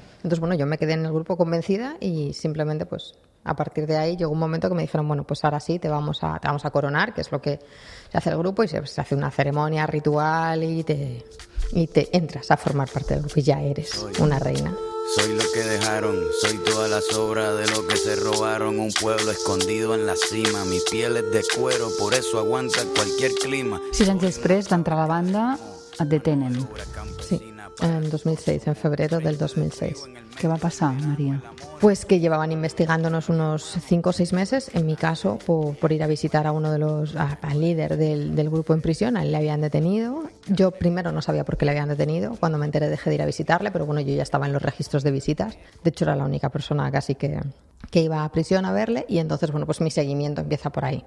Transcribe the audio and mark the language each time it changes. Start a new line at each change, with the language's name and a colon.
Spanish: Entonces, bueno, yo me quedé en el grupo convencida y simplemente, pues, a partir de ahí llegó un momento que me dijeron, bueno, pues ahora sí, te vamos a coronar, que es lo que se hace el grupo, y se hace una ceremonia ritual y te entras a formar parte del grupo y ya eres una reina. Soy lo que dejaron, soy toda la sobra de lo que se robaron, un pueblo escondido en la cima, mi piel es de cuero, por eso aguanta cualquier clima.
Catalan: 6 anys després d'entrar a la banda, et detenen.
Spanish: Sí, en 2006, en febrero del 2006.
Catalan: ¿Qué va passar, Maria?
Spanish: Pues que llevaban investigándonos unos 5 o 6 meses, en mi caso, por ir a visitar a uno de los al líder del grupo en prisión, a él le habían detenido. Yo primero no sabía por qué le habían detenido, cuando me enteré dejé de ir a visitarle, pero bueno, yo ya estaba en los registros de visitas, de hecho era la única persona casi que iba a prisión a verle, y entonces, bueno, pues mi seguimiento empieza por ahí.